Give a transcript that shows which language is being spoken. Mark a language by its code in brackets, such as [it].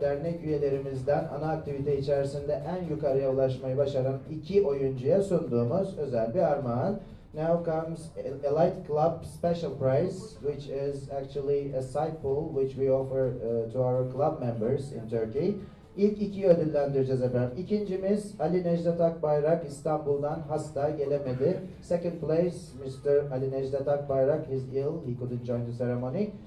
[tr] Dernek üyelerimizden ana aktivite içerisinde en yukarıya ulaşmayı başaran iki oyuncuya sunduğumuz özel bir armağan. [en] Now comes Elite Club Special Prize, which is actually a side pool which we offer to our club members in Turkey. [tr] İlk ikiyi ödüllendireceğiz efendim. İkincimiz Ali Necdet Akbayrak, İstanbul'dan hasta gelemedi. [en] Second place, Mr. Ali Necdet Akbayrak is ill, he couldn't join the ceremony.